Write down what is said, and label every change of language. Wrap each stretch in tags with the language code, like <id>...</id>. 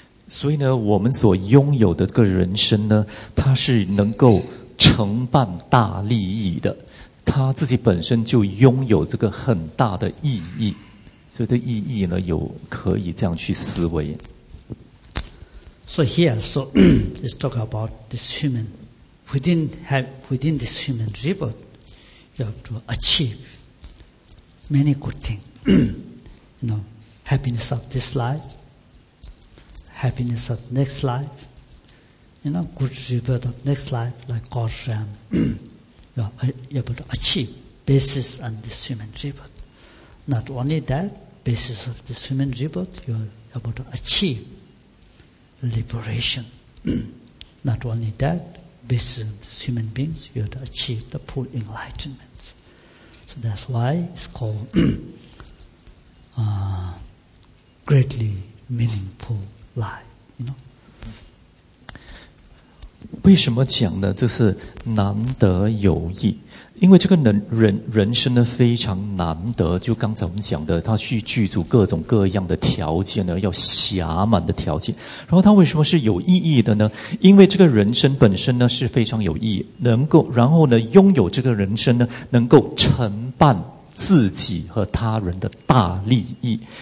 <zh>所以呢，我们所拥有的这个人生呢，它是能够承办大利益的，它自己本身就拥有这个很大的意义。所以这意义呢，有可以这样去思维。</zh> <en>So here, so it's talk about this human within this human rebirth, you have to achieve many good things. You know, happiness of this life, happiness of next life, you know, good rebirth of next life, like God's realm. You're able to achieve basis on this human rebirth. Not only that, basis of this human rebirth, you're able to achieve liberation. Not only that, basis of this human beings, you have to achieve the full enlightenment. So that's why it's called greatly meaningful life, you know.</en> <zh>为什么讲呢？就是难得有益，因为这个人生呢非常难得。就刚才我们讲的，他去具足各种各样的条件呢，要暇满的条件。然后他为什么是有意义的呢？因为这个人生本身呢是非常有意义，能够然后呢拥有这个人生呢，能够承办自己和他人的大利益。</zh>